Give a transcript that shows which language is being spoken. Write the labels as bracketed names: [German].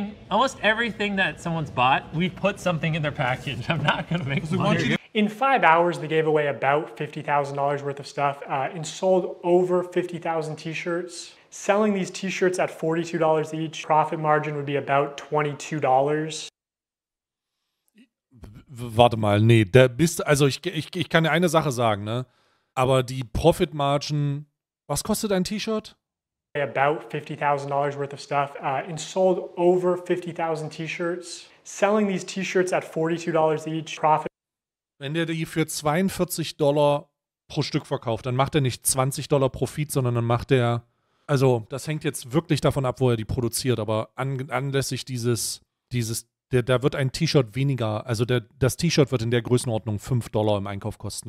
[English] Almost everything that someone's bought, we put something in their package. I'm not gonna make money. In 5 hours, they gave away about $50,000 worth of stuff and sold over 50,000 t-shirts. Selling these t-shirts at $42 each, profit margin would be about $22. [German] Warte mal, nee, da bist, also ich kann dir eine Sache sagen, ne? Aber die Profit Margin, was kostet ein T-Shirt? [English] About $50,000 worth of stuff and sold over 50,000 t-shirts. Selling these t-shirts at $42 each, profit. [German] Wenn der die für $42 pro Stück verkauft, dann macht er nicht $20 Profit, sondern dann macht er, also das hängt jetzt wirklich davon ab, wo er die produziert, aber anlässlich dieses, da wird ein T-Shirt weniger, also das T-Shirt wird in der Größenordnung $5 im Einkauf kosten.